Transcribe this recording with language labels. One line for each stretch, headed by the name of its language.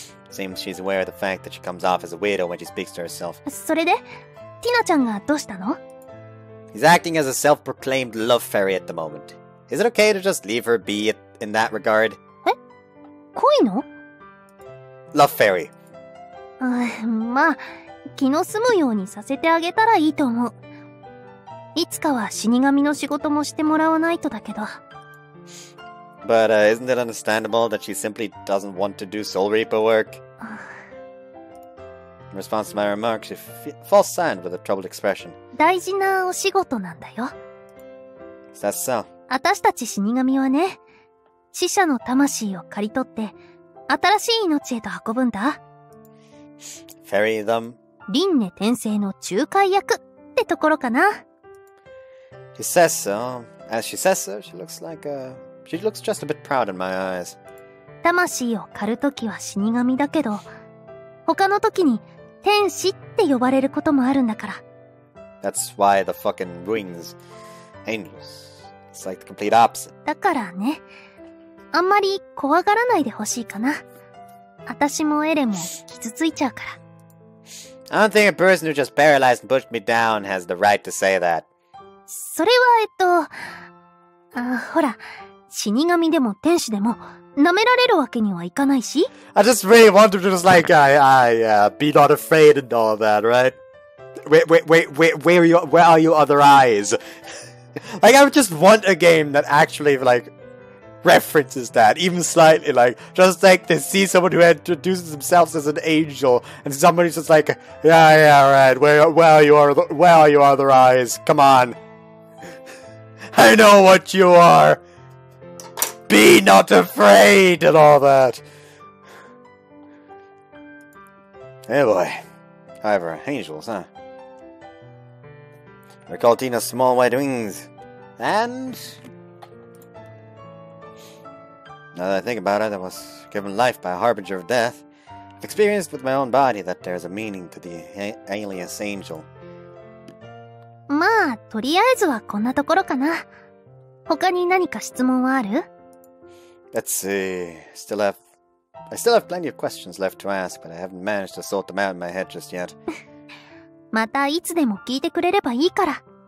English: Seems she's aware of the fact that she comes off as a weirdo when she speaks to herself.
Japanese: それで、ティナちゃんがどうしたの?
English: He's acting as a self-proclaimed love fairy at the moment. Is it okay to just leave her be in that regard?
Japanese: え?恋の?
English: Love fairy.
Japanese: まあ、気の済むようにさせてあげたらいいと思う。いつかは死神の仕事もしてもらわないとだけど。
English: But isn't it understandable that she simply doesn't want to do Soul Reaper work? In response to my remark, she falls silent with a troubled expression.
Japanese: 大事なお仕事なんだよ。
English: Is that so?
Japanese: 私たち死神はね、死者の魂を借り取って、新しい命へと運ぶんだ。
English: Ferry them?
Japanese: 輪廻転生の仲介役ってところかな。
English: She says so. As she says so, she looks like a... She looks just a bit proud in my eyes.
Japanese: 魂を狩るときは死神だけど、他のときに天使って呼ばれることもあるんだから。
English: That's why the fucking wings, angels. It's like the complete opposite.
Japanese: だからね、あんまり怖がらないでほしいかな。私もエレンも傷ついちゃうから。
English: I don't think a person who just paralyzed and pushed me down has the right to say that.
Japanese: それは、あ、ほら、死神でも天使でも舐められるわけにはいかないし。
English: I just really want to just like be not afraid and all that, right? Where are your other eyes? Like I would just want a game that actually like references that even slightly, like just like to see someone who introduces themselves as an angel and somebody's just like yeah right. Where are your other eyes? Come on, I know what you are. Be not afraid and all that! Hey boy. However, angels, huh? Recall Tina's small white wings. And... Now that I think about it, I was given life by a harbinger of death. I've experienced with my own body that there's a meaning to the alias angel.
Japanese: まあ、とりあえずはこんなところかな。他に何か質問はある?
English: Let's see. I still have plenty of questions left to ask, but I haven't managed to sort them out in my head just yet.
Japanese: またいつでも聞いてくれればいいから。